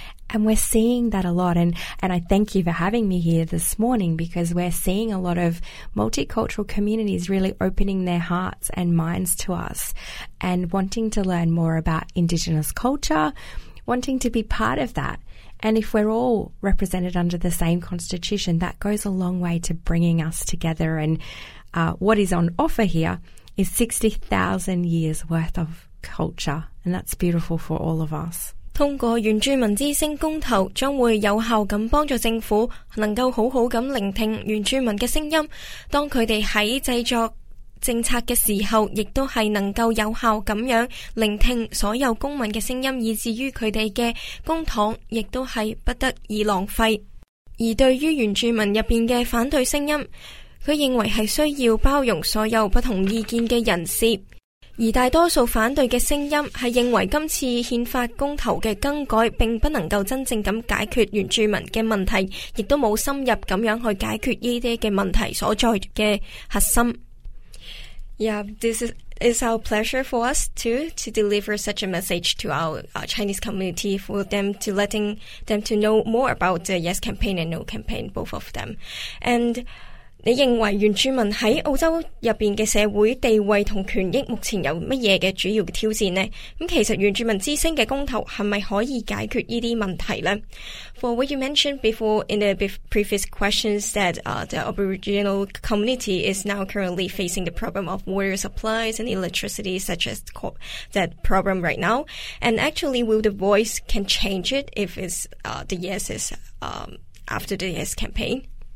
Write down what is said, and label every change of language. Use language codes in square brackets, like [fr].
[en] And we're seeing that a lot. And I thank you for having me here this morning, because we're seeing a lot of multicultural communities really opening their hearts and minds to us and wanting to learn more about Indigenous culture, wanting to be part of that. And if we're all represented under the same constitution, that goes a long way to bringing us together. And what is on offer here is 60,000 years worth of culture. And that's beautiful for all of us. [yue] 通过原住民之声公投，将会有效地帮助政府能够好好地聆听原住民的声音，当他们在制作政策的时候，亦都是能够有效地聆听所有公民的声音，以至于他们的公帑亦都是不得而浪费。而对于原住民入面的反对声音，他认为是需要包容所有不同意见的人士。而大多数反对的声音是认为今次宪法公投的更改并不能够真正地解决原住民的问题，亦都没有深入地去解决这些的问题所在的核心。 [en] Yeah, this is our pleasure for us too, to deliver such a message to our Chinese community, for them to letting them to know more about the Yes campaign and No campaign, both of them. [yue] And 你认为原住民在澳洲入面的社会地位和权益目前有什么主要的挑战呢？其实原住民之声的公投是不是可以解决这些问题呢？ [en] For what you mentioned before in the previous questions that the Aboriginal community is now currently facing the problem of water supplies and electricity, such as that problem right now. And actually, will the voice can change it if it's the yes is after the yes campaign?